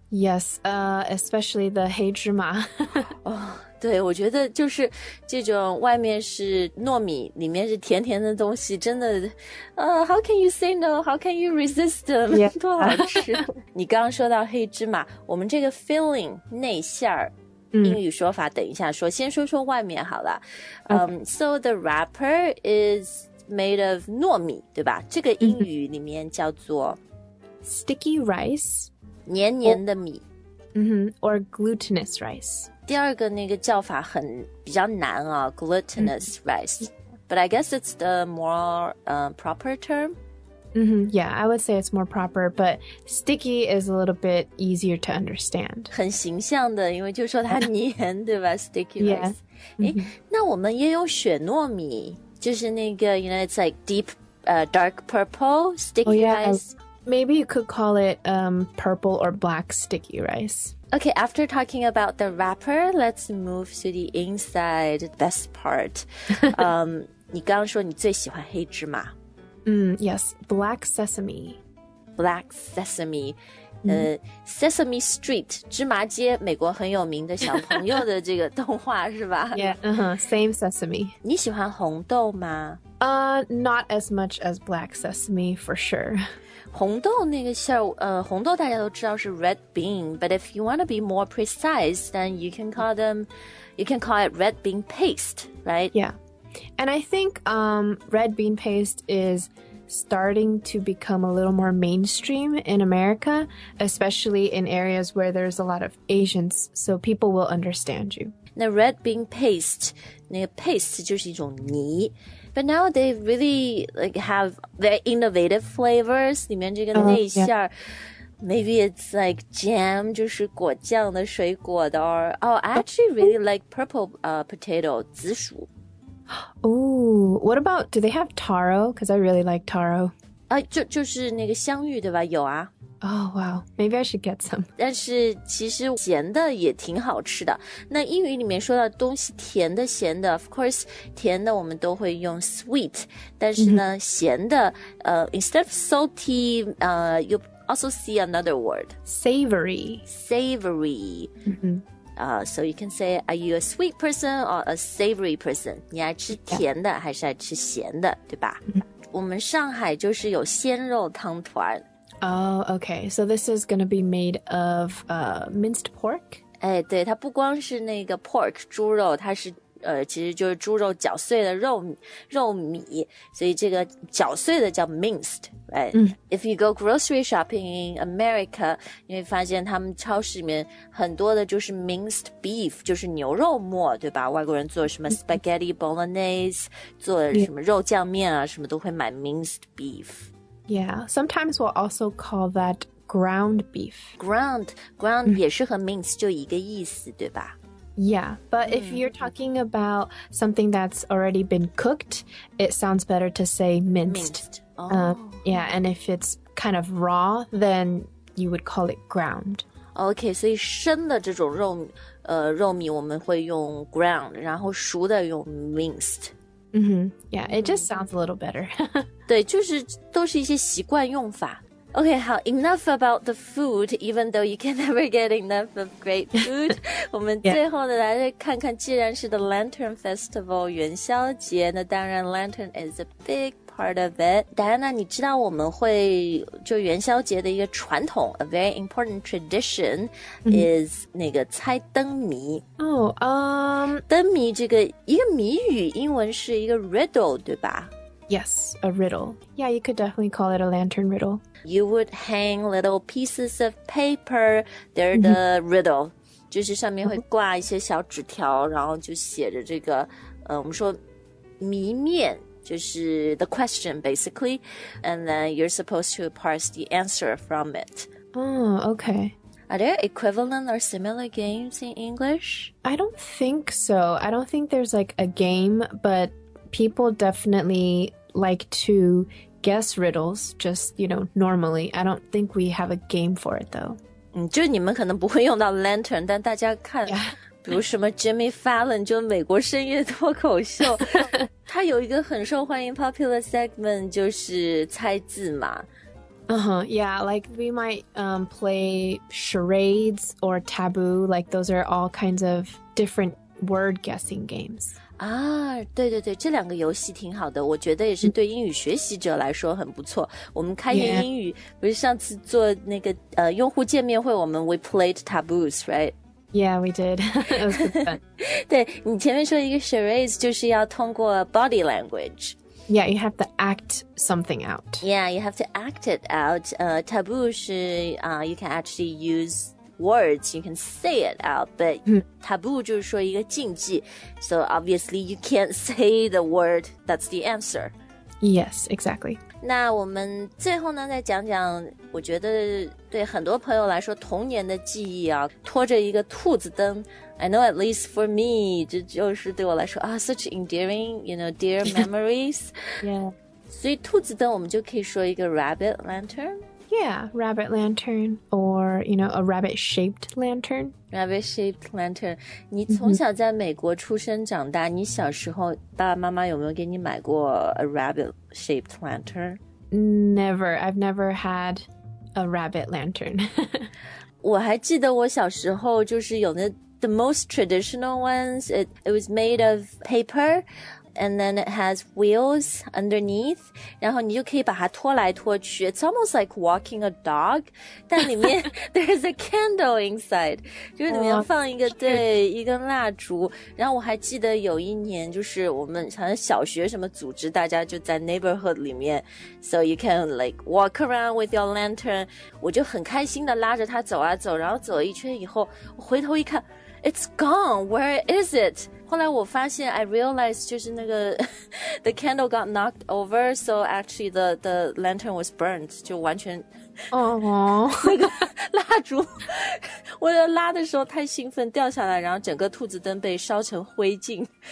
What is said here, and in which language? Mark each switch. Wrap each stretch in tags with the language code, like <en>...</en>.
<en>Yes, especially the 黑芝麻。 oh.</en> <zh>对我觉得就是这种外面是糯米里面是甜甜的东西真的</zh> <en>how can you say no? How can you resist them? Yeah,</en> <zh>多好吃你刚刚说到黑芝麻我们这个 filling 内馅儿、英语说法等一下说先说说外面好了、</zh> <en>okay. So the wrapper is made of</en> <zh>糯米对吧这个英语里面叫做</zh> <en>Sticky rice</en> <zh>黏黏的米、</zh> <en>Or glutinous rice</en> <zh>第二个那个叫法很比较难啊 glutinous rice.</zh> <en>But I guess it's the more、proper term.、 Mm-hmm, yeah, I would say it's more proper, but sticky is a little bit easier to understand.</en> <zh>很形象的因为就说它黏对吧 sticky rice.</zh> <en>Yeah.、</en> <zh>那我们也有雪糯米就是那个</zh> <en>you know, it's like deep,、dark purple sticky、 oh, yeah, rice. Maybe you could call it、purple or black sticky rice. Okay, after talking about the wrapper, let's move to the inside best part.</en> <zh>你刚刚说你最喜欢黑芝麻。</zh> <en>Yes, black sesame. Black sesame.</en> <zh>Sesame Street, 芝麻街，美国很有名的小朋友的这个动画是吧</zh> <en>Yeah, same sesame.</en> <zh>你喜欢红豆吗</zh> <en>Not as much as black sesame, for sure.</en> <zh>红豆那个馅红豆大家都知道是</zh> <en>red bean, but if you want to be more precise, then you can call them, you can call it red bean paste, right? Yeah. And I think red bean paste is starting to become a little more mainstream in America, especially in areas where there's a lot of Asians, so people will understand you. 那 red bean paste, 那个 paste</en> <zh>就是一种泥</zh> <en>But now they really like, have very innovative flavors.</en> <zh>里面这个内馅儿、</zh> <en>maybe it's like jam,</en> <zh>就是果酱的水果的</zh> <en>or, Oh, I actually really like purple potato, 紫薯 Ooh, what about, do they have taro? Because I really like taro.</en> <zh>就是那个香芋对吧有啊</zh> <en>Oh, wow, maybe I should get some.</en> <zh>但是其实咸的也挺好吃的。那英语里面说到东西甜的咸的</zh> <en>of course,</en> <zh>甜的我们都会用 sweet, 但是呢、mm-hmm. 咸的</zh> <en>instead of salty, you also see another word. Savory. Savory. Mm-hmm. So you can say, are you a sweet person or a savory person?</en> <zh>你爱吃甜的、yeah. 还是爱吃咸的对吧、mm-hmm. 我们上海就是有鲜肉汤团。</zh> <en>Oh, okay. So this is going to be made of minced pork?</en> <zh>哎，对，它不光是那个 pork, 猪肉，它是其实就是猪肉搅碎的肉米，所以这个搅碎的叫 minced, right?、 Mm.</zh> <en>If you go grocery shopping in America,</en> <zh>你会发现他们超市里面很多的就是 minced beef, 就是牛肉末，对吧？外国人做什么 spaghetti bolognese, 做什么肉酱面啊，什么都会买 minced beef.</zh> <en>Yeah, sometimes we'll also call that ground beef.</en> <zh>Ground 也是和 mince 就一个意思，对吧？</zh> <en>Yeah, but if you're talking about something that's already been cooked, it sounds better to say minced. Yeah, and if it's kind of raw, then you would call it ground.</en> <zh>Okay, 所以生的这种肉米我们会用 ground, 然后熟的用 minced. Mm-hmm.</zh> <en>Yeah, it just sounds a little better.</en> <zh>对，就是都是一些习惯用法。</zh> <en>Okay, 好 enough about the food, even though you can never get enough of great food.</en> <zh>我们最后的来看看，既然是 the Lantern Festival, 元宵节，那当然</zh> <en>Lantern is a big part of it.</en> <zh>Diana, 你知道我们会就元宵节的一个传统</zh> <en>a very important tradition is</en> <zh>那个猜灯谜。灯谜这个一个谜语英文是一个 riddle, 对吧？</zh> <en>Yes, a riddle. Yeah, you could definitely call it a lantern riddle. You would hang little pieces of paper. They're the riddle.</en> <zh>就是上面会挂一些小纸条，然后就写着这个，我们说谜面，就是</zh> <en>the question, basically. And then you're supposed to parse the answer from it. Oh, okay. Are there equivalent or similar games in English? I don't think so. I don't think there's like a game, but... People definitely like to guess riddles, just, you know, normally. I don't think we have a game for it, though.</en> <zh>就你们可能不会用到 lantern, 但大家看、比如什么 Jimmy Fallon, 就美国深夜脱口秀。他有一个很受欢迎 popular segment, 就是猜字嘛。</zh> <en>Yeah, like we might play charades or taboo, like those are all kinds of different word guessing games.</en> <zh>啊，对对对，这两个游戏挺好的，我觉得也是对英语学习者来说很不错。我们开源英语、</zh> <en>yeah.</en> <zh>不是上次做那个用户见面会，我们</zh> <en>we played taboos, right? Yeah, we did. It was fun.</en> <zh>对你前面说一个 charades 就是要通过 body language.</zh> <en>Yeah, you have to act something out. Yeah, you have to act it out. Taboo 是you can actually use. Words, you can say it out, but taboo</en> <zh>就是说一个禁忌</zh> <en>So obviously you can't say the word, that's the answer. Yes, exactly.</en> <zh>那我们最后呢再讲讲我觉得对很多朋友来说童年的记忆啊拖着一个兔子灯</zh> <en>I know at least for me,</en> <zh>这就是对我来说啊</zh> <en>such endearing, you know, dear memories. yeah.</en> <zh>所以兔子灯我们就可以说一个 rabbit lantern?</zh> <en>Yeah, rabbit lantern or, you know, a rabbit-shaped lantern. Rabbit-shaped lantern.</en> <zh>你从小在美国出生长大，你小时候爸爸妈妈有没有给你买过 a rabbit-shaped lantern?</zh> <en>Never. I've never had a rabbit lantern. 我还记得我小时候就是有那 the most traditional ones. It was made of paper. And then it has wheels underneath.</en> <zh>然后你就可以把它拖来拖去。</zh> <en>It's almost like walking a dog.</en> <zh>但里面</zh> <en>there's a candle inside.</en> <zh>就是里面放一个、oh, 对一根蜡烛。然后我还记得有一年就是我们好像小学什么组织大家就在 neighborhood 里面。</zh> <en>So you can like walk around with your lantern.</en> <zh>我就很开心的拉着它走啊走。然后走了一圈以后回头一看</zh> <en>It's gone. Where is it?</en> <zh>后来我发现</zh> <en>I realized</en> <zh>就是那个</zh> <en>the candle got knocked over, so actually the lantern was burnt,</en> <zh>就完全哦、那个蜡烛我在拉的时候太兴奋掉下来然后整个兔子灯被烧成灰烬。</zh>